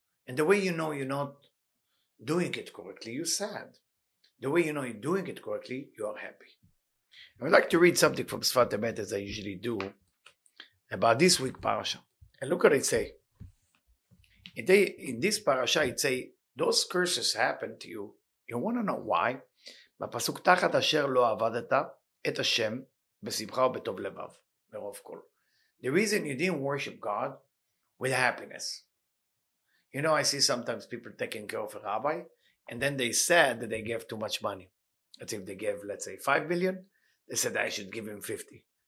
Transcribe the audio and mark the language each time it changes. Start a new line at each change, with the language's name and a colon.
English: And the way you know you're not doing it correctly, you're sad. The way you know you're doing it correctly, you are happy. I would like to read something from Sfat Emet, as I usually do, about this week's parasha. And look what it say. In this parasha, it say, those curses happened to you. You want to know why?
Hebrew: בפסוק תחת אשר לא עבדת את השם בשמחה ובטוב לבב, מרוב כל.
English: The reason you didn't worship God with happiness. You know, I see sometimes people taking care of a rabbi, and then they said that they gave too much money. That's if they gave, let's say, 5 million, they said I should give him 50.